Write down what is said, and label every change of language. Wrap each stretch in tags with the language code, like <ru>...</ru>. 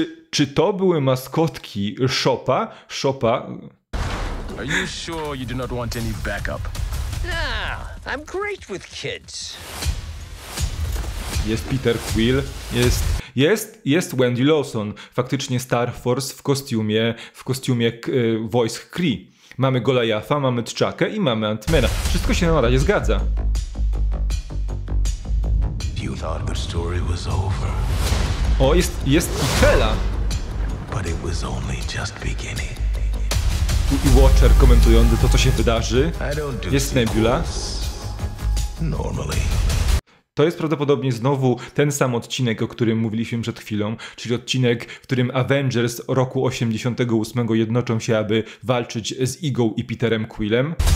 <pl>Czy to były maskotki Shoppa? Shoppa?</pl> <en>Are you sure you do not want any backup? No, I'm great with kids.</en> <pl>Jest Peter Quill, jest Wendy Lawson. Faktycznie Star Force w kostiumie Voice Kree. Mamy Goliatha, mamy T'Chakę i mamy Ant-Mana. Wszystko się na razie zgadza.</pl> <en>You thought the story was over.</en> <pl>O, jest Hela.</pl> <en>But it was only just beginning.</en> <pl>I Watcher komentujący to, co się wydarzy. Jest Nebula. Normally. To jest prawdopodobnie znowu ten sam odcinek, o którym mówiliśmy przed chwilą, czyli odcinek, w którym Avengers roku 88 jednoczą się, aby walczyć z Eagle i Peterem Quillem.</pl>